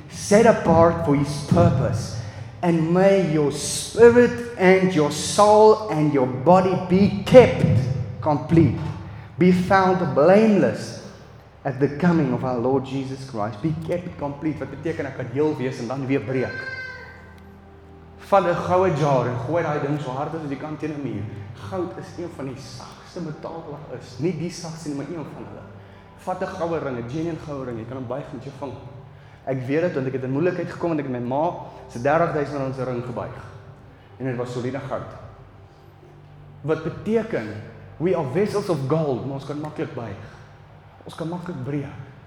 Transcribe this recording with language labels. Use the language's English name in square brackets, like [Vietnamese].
[English] Set apart for his purpose. And may your spirit and your soul and your body be kept complete. Be found blameless at the coming of our Lord Jesus Christ. Be kept complete. [Afrikaans] Wat beteken, ek kan heel wees en dan weer breek. Van 'n goue jar en gooi daai ding so hard as jy kan teen 'n muur. Goud is een van die sagste metale wat is. Nie die sagste nie, maar een van hulle. Vat 'n goue ring, 'n genuine goue ring, jy kan hom buig met jou vinger. Ek weet dit want ek het in moeilikheid gekom en ek het my ma se 30,000 rand se ring gebuig. En dit was soliede goud. Wat beteken [English] we are vessels of gold, [Afrikaans] maar ons kan maklik buig. Ons kan maklik breek.